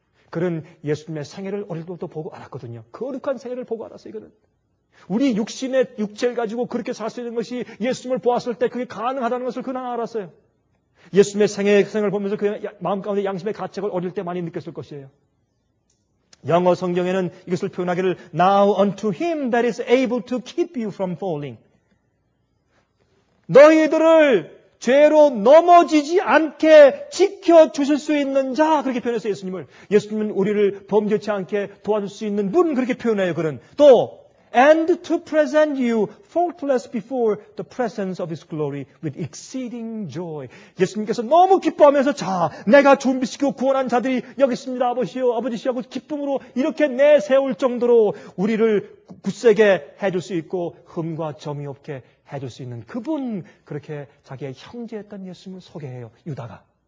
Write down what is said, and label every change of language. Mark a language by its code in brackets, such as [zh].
[ko] 그는 예수님의 생애를 어릴 때부터 보고 알았거든요. 거룩한 생애를 보고 알았어요. 그는 우리 육신의 육체를 가지고 그렇게 살 수 있는 것이 예수님을 보았을 때 그게 가능하다는 것을 그는 알았어요. 예수님의 생애의 생을 보면서 그 마음 가운데 양심의 가책을 어릴 때 많이 느꼈을 것이에요. 영어 성경에는 이것을 표현하기를 [en] Now unto him that is able to keep you from falling. [ko] 너희들을 죄로 넘어지지 않게 지켜주실 수 있는 자, 그렇게 표현했어요. 예수님을. 예수님은 우리를 범죄치 않게 도와줄 수 있는 분, 그렇게 표현해요. 그는 또 [en] And to present you faultless before the presence of his glory with exceeding joy. [ko] 예수님께서 너무 기뻐하면서 자, 내가 준비시키고 구원한 자들이 여기 있습니다. 아버지요, 아버지시여 하고 기쁨으로 이렇게 내세울 정도로 우리를 굳세게 해줄 수 있고 흠과 점이 없게 해줄 수 있는 그분, 그렇게 자기의 형제였던 예수님을 소개해요. 유다가.